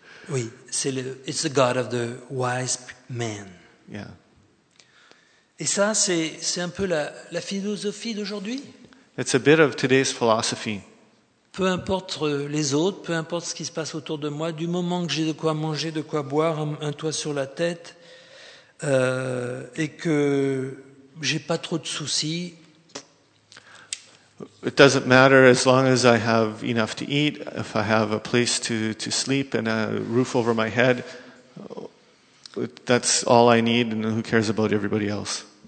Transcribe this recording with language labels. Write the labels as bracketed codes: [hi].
[en] Oui, it's the God of the wise man. Yeah. [fr] Et ça, c'est un peu la philosophie d'aujourd'hui. [en] It's a bit of today's philosophy. [fr] Peu importe les autres, peu importe ce qui se passe autour de moi, du moment que j'ai de quoi manger, de quoi boire, un toit sur la tête, et que j'ai pas trop de soucis. [en] It doesn't matter as long as I have enough to eat, if I have a place to sleep and a roof over my head, that's all I need, and who cares about everybody else?